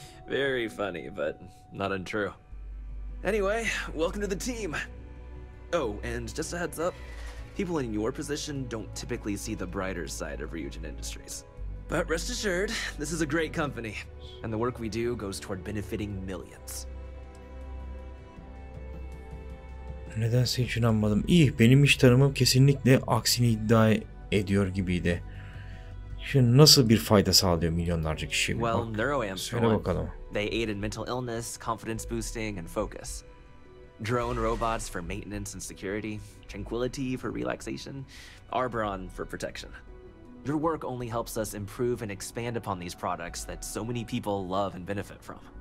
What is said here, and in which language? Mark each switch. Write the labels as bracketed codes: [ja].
[en] Very funny, but not untrue. Anyway, welcome to the team. Oh, and just a heads up. People in your position don't typically see the brighter side of Ryujin Industries. But rest assured, this is a great company. And the work we do goes toward benefiting millions. [tr] Nedense hiç inanmadım. İyi, benim iş tanımım kesinlikle aksini iddia ediyor gibiydi. Şimdi nasıl bir fayda sağlıyor milyonlarca kişiye? [en] Well, [tr] bak, [en] neuroamps, [tr] söyle bakalım. [en] They aid in mental illness, confidence boosting, and focus. Drone robots for maintenance and security, tranquility for relaxation, Arboron for protection. Your work only helps us improve and expand upon these products that so many people love and benefit from.